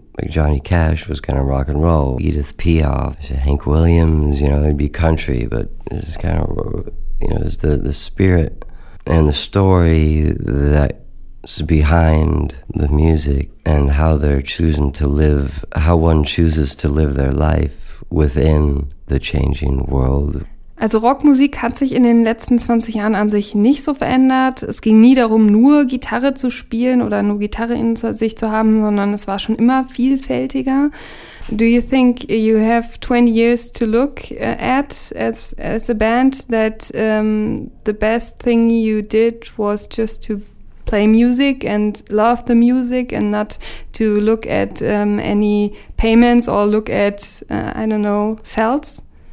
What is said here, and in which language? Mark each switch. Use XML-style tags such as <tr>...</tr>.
<en>Johnny Cash was kind of rock and roll. Edith Piaf, Hank Williams, you know, it'd be country, but it's kind of, you know, it's the spirit and the story that behind the music and how they're choosing to live, how one chooses to live their life within the changing world.</en> <de>Also Rockmusik hat sich in den letzten 20 Jahren an sich nicht so verändert. Es ging nie darum, nur Gitarre zu spielen oder nur Gitarre in sich zu haben, sondern es war schon immer vielfältiger.</de> <en>Do you think you have 20 years to look at as a band that the best thing you did was just to play music and love the music and not to look at any payments or look at, I don't know, sales?</en>